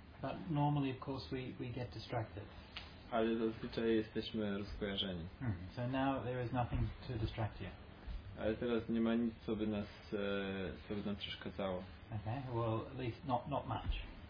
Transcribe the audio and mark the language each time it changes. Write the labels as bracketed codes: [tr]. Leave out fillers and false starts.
[en] But normally, of course, we get distracted. [pl] Ale zazwyczaj jesteśmy rozkojarzeni. [en] So now there is nothing to distract you. [pl] Ale teraz nie ma nic, co by nam przeszkadzało. [en] Okay, well, at least not much.